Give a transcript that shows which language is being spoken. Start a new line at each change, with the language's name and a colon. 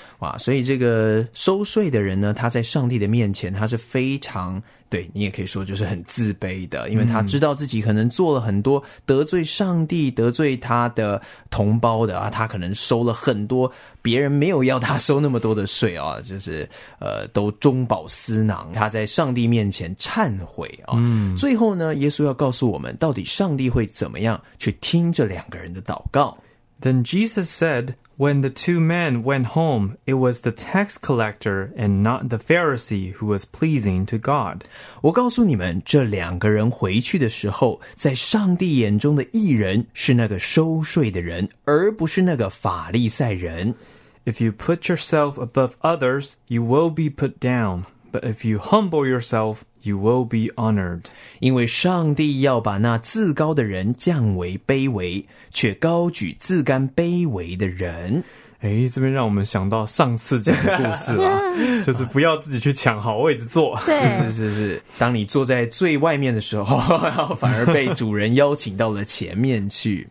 Chinese: 哇，所以这个收税的人呢他在上帝的面前他是非常对你也可以说就是很自卑的因为他知道自己可能做了很多得罪上帝得罪他的同胞的他可能收了很多别人没有要他收那么多的税就是都中饱私囊他在上帝面前忏悔最后呢耶稣要告诉我们到底上帝会怎么样去听这两个人的祷告
English: Then Jesus said,When the two men went home, it was the tax collector and not the Pharisee who was pleasing to God.
Chinese: 我告诉你们，这两个人回去的时候，在上帝眼中的义人是那个收税的人，而不是那个法利赛人。
English: If you put yourself above others, you will be put down. But if you humble yourself, you will be honored.
Chinese: 因为上帝要把那自高的人降为卑微，却高举自甘卑微的人。这边让我们想到上次讲的故事了就是不要自己去抢好位置坐是当你坐在最外面的时候反而被主人邀请到了前面去